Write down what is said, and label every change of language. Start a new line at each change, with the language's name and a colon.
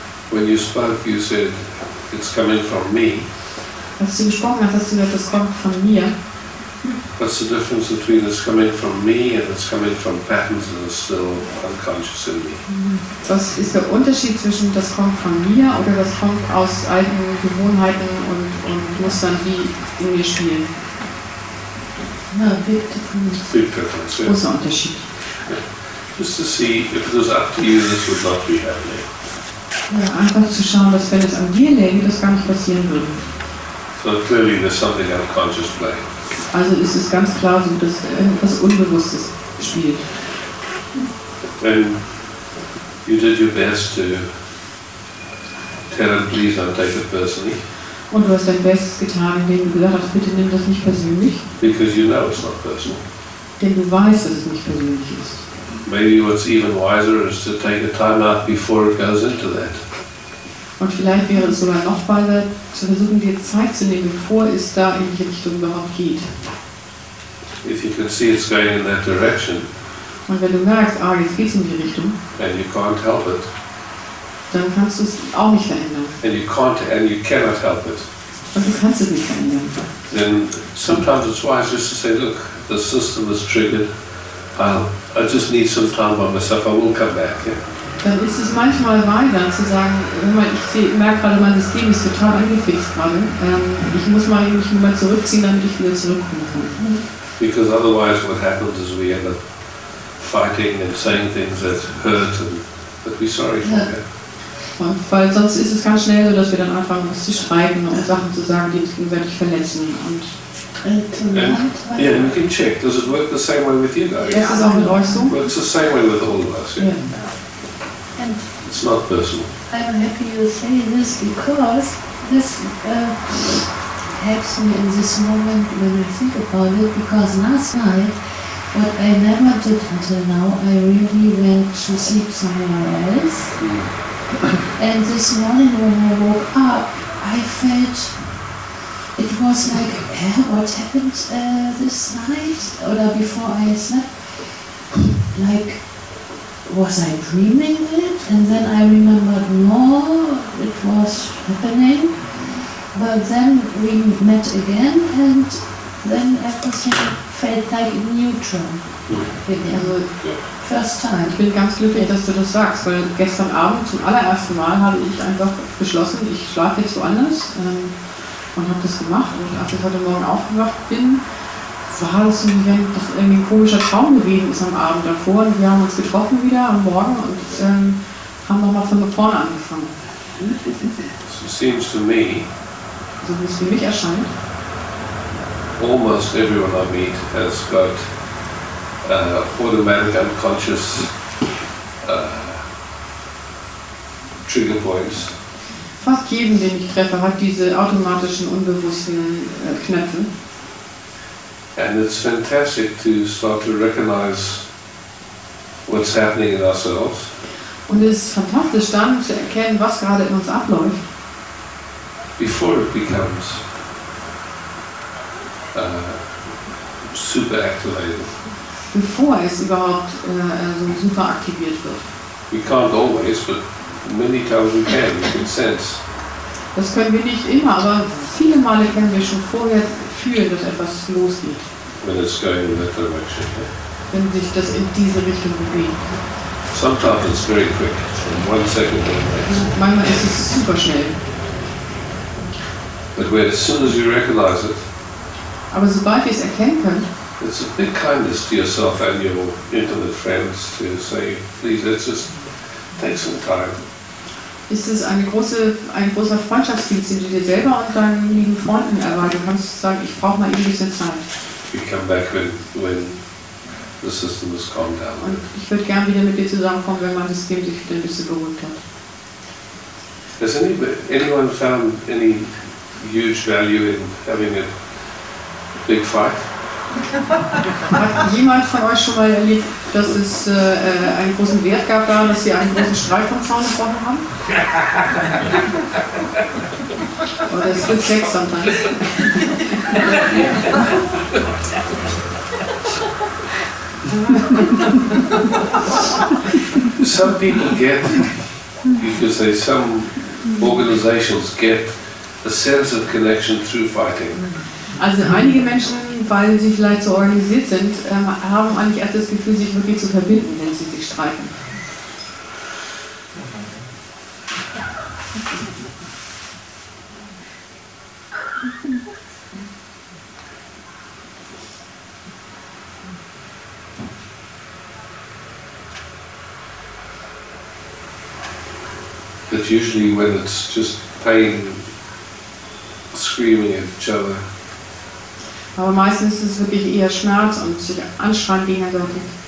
English: When you spoke, you said it's coming from me.
German: Als du gesprochen hast, hast du gesagt, es kommt von mir.
English: What's the difference between it's coming from me and it's coming from patterns that are still unconscious in me?
German: Was ist der Unterschied zwischen das kommt von mir oder das kommt aus alten Gewohnheiten und muss dann wie in mir spielen?
English: Na, big difference. Big difference, yeah.
German: Großer Unterschied.
English: Yeah. Just to see if it was up to you, this would not be happening.
German: Ja, einfach zu schauen, dass wenn es an dir läge, das gar nicht passieren würde.
English: So clearly there's something unconscious playing.
German: Also ist es ganz klar, so, dass etwas Unbewusstes spielt.
English: And you did your best to tell him, please don't take it personally.
German: Und du hast dein Bestes getan, indem du gesagt hast, bitte nimm das nicht persönlich.
English: Because you know it's not personal.
German: Denn du weißt, dass es nicht persönlich ist.
English: Maybe what's even wiser is to take a time out before it goes into that.
German: Und vielleicht wäre es sogar noch weiser, zu versuchen, dir Zeit zu nehmen, bevor es da in die Richtung überhaupt geht.
English: If you can see it's going in that direction.
German: Und wenn du merkst, ah, jetzt geht's in die Richtung.
English: And you can't help it.
German: Dann kannst du es auch nicht verändern.
English: And you can't and you cannot help it.
German: Und du kannst es nicht verändern.
English: Then sometimes it's wise just to say, look, the system is triggered. I just need some time by myself. I will come back. Yeah.
German: Dann ist es manchmal weiser zu sagen, ich merke gerade, mein System ist total angefixt gerade. Ich muss mal mich mal zurückziehen, damit ich wieder zurückkommen kann.
English: Because otherwise, what happens is we end up fighting and saying things that hurt and that we're sorry for. Yeah.
German: Und weil sonst ist es ganz schnell so, dass wir dann anfangen, uns zu schreiben und Sachen zu sagen, die uns gegenseitig verletzen. Und
English: yeah, and you can check. Does it work the same way with you guys?
German: Ja, ist auch mit euch so.
English: Well, it's the same way with all of us. Yeah. And it's not personal. I'm happy you say this because this helps me in this moment when I think about it. Because last night, what I never did until now, I really went to sleep somewhere else. And this morning when I woke up, I felt it was like, what happened this night or before I slept? Like, was I dreaming it? And then I remembered, no, it was happening. But then we met again, and then everything felt like neutral. First time.
German: Ich bin ganz glücklich, dass du das sagst, weil gestern Abend zum allerersten Mal habe ich einfach beschlossen, ich schlafe jetzt woanders und habe das gemacht. Und als ich heute Morgen aufgewacht bin, war das so, wie wenn das irgendwie ein komischer Traum gewesen ist am Abend davor. Und wir haben uns getroffen wieder am Morgen und haben nochmal von vorne angefangen.
English: So seems to me,
German: so wie es für mich erscheint,
English: almost everyone I meet has got automatic unconscious trigger points.
German: Fast jeden, den ich treffe, hat diese automatischen, unbewussten Knöpfe.
English: And it's fantastic to start to recognize what's happening in ourselves.
German: Und es ist fantastisch, dann zu erkennen, was gerade in uns abläuft.
English: Before it becomes super activated.
German: Bevor es überhaupt so super aktiviert wird.
English: We can't always, but many times we can sense.
German: Das können wir nicht immer, aber viele Male können wir schon vorher fühlen, dass etwas losgeht.
English: When it's going in that direction.
German: Wenn sich das in diese Richtung bewegt.
English: Sometimes it's very quick, in one second.
German: Manchmal ist es super schnell.
English: But when, as soon as you recognize it.
German: Aber sobald wir es erkennen können.
English: It's a big kindness to yourself and your intimate friends to say, please, let's just take some time.
German: Ist es ein großer Freundschaftsdienst, den du dir selber und deinen lieben Freunden erweist? Du kannst sagen, ich brauche mal ein bisschen Zeit.
English: We come back when the system has calmed down.
German: Und ich würde gern wieder mit dir zusammenkommen, wenn mein System sich wieder ein bisschen beruhigt hat.
English: Has anyone found any huge value in having a big fight?
German: Hat jemand von euch schon mal erlebt, dass es einen großen Wert gab, da, dass sie einen großen Streit vom Zaun gebrochen haben? Oder es wird Sex sometimes.
English: Some people get, you could say, some organizations get a sense of connection through fighting.
German: Also einige Menschen, weil sie vielleicht so organisiert sind, haben eigentlich erst das Gefühl, sich wirklich zu verbinden, wenn sie sich streiten.
English: that usually when it's just pain screaming at each other.
German: Aber meistens ist es wirklich eher Schmerz und Anschreien gegenseitig.